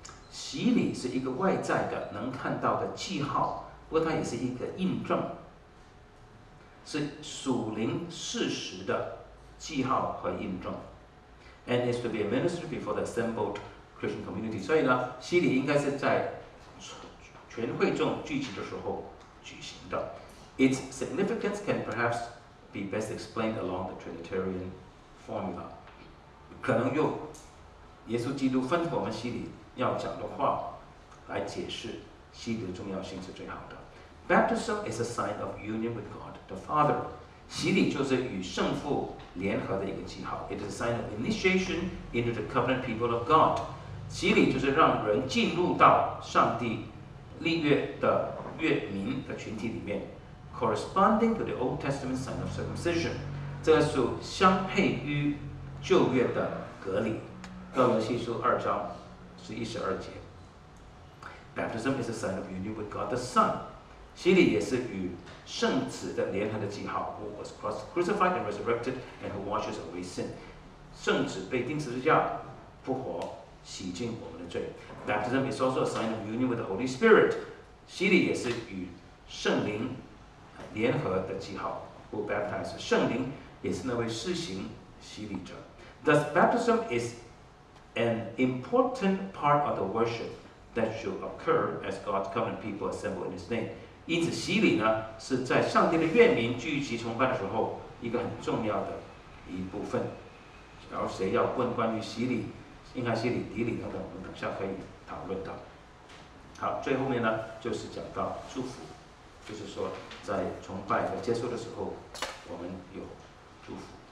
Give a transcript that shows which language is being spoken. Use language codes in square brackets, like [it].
[zh] 洗礼是一个外在的、能看到的记号，不过它也是一个印证，是属灵事实的记号和印证。 [en] And is to be administered before the assembled Christian community. [zh] 所以呢，洗礼应该是在全会众聚集的时候举行的。 [en] Its significance can perhaps be best explained along the Trinitarian formula. [zh] 可能用耶稣基督吩咐我们洗礼要讲的话来解释基督的重要性是最好的。 [en] Baptism is a sign of union with God the Father. [zh] 洗礼就是与圣父联合的一个记号。 [en] It is a sign of initiation into the covenant people of God. [zh] 洗礼就是让人进入到上帝立约的约民的群体里面。 [en] Corresponding to the Old Testament sign of circumcision. [zh] 这是相配于旧约的隔离。哥罗西书二章十一十二节。 [en] Baptism is a sign of union with God the Son. [zh] 洗礼也是与圣子的联合的记号。 [en] Who was crucified and resurrected and who washes away sin. [zh] 圣子被钉十字架，复活，洗净我们的罪。 [en] Baptism is also a sign of union with the Holy Spirit. [zh] 洗礼也是与圣灵联合的记号。 [en] Who baptized [zh] 圣灵也是那位施行洗礼者。 [en] Thus, baptism is an important part of the worship. That should occur as God's covenant people assemble in His name. [zh] 因此，洗礼呢是在上帝的愿民聚集崇拜的时候一个很重要的一部分。然后，谁要问关于洗礼、应该洗礼、礼礼等等，我们等下可以讨论到。好，最后面呢就是讲到祝福，就是说在崇拜和接受的时候，我们有祝福。